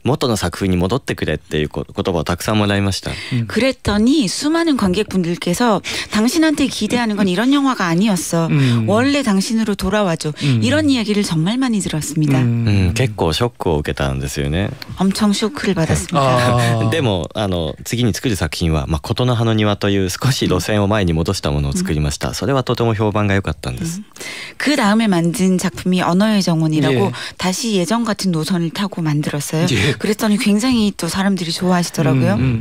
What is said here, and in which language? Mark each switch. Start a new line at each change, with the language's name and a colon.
Japanese: そうしたら観客の多くから、あなたに期待してるのはこういう映画じゃないというふうに、こうたくさんこう元の作風に戻ってくれっていうこと 言葉をたくさんもらいました。
Korean: 그랬더니 수많은 관객분들께서 당신한테 기대하는 건 이런 영화가 아니었어. 원래 당신으로 돌아와줘. 이런 이야기를 정말 많이 들었습니다.
Japanese: 結構ショックを受けたんですよね。
Korean: 엄청 쇼크를 받았습니다.
Japanese: でも次に作る作品は琴の葉の庭という少し路線を前に戻したものを作りました。それはとても評判が良かったんです。
Korean: 그 다음에 만든 작품이 언어의 정원이라고 다시 예전 같은 노선을 타고 만들었어요. 그랬더니 굉장히 또 사람들이 좋아하시더라고요.